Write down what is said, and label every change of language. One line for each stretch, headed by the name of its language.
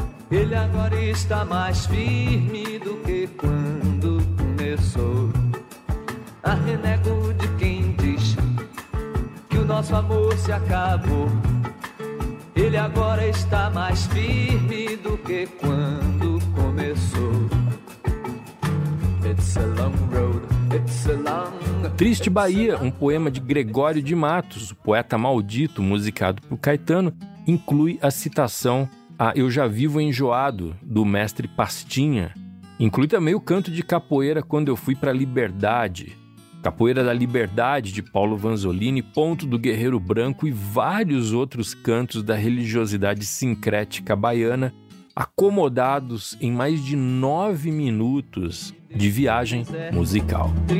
Portuguese: Ele agora está mais firme do que quando começou. Renego de quem diz que o nosso amor se acabou. Ele agora está mais firme do que quando começou.
English: It's a long road, it's a long.
Portuguese: Triste Bahia, um poema de Gregório de Matos, o poeta maldito, musicado por Caetano, inclui a citação a Eu Já Vivo Enjoado, do mestre Pastinha. Inclui também o canto de Capoeira Quando Eu Fui para a Liberdade, Capoeira da Liberdade, de Paulo Vanzolini, Ponto do Guerreiro Branco e vários outros cantos da religiosidade sincrética baiana, acomodados em mais de 9 minutos de viagem musical.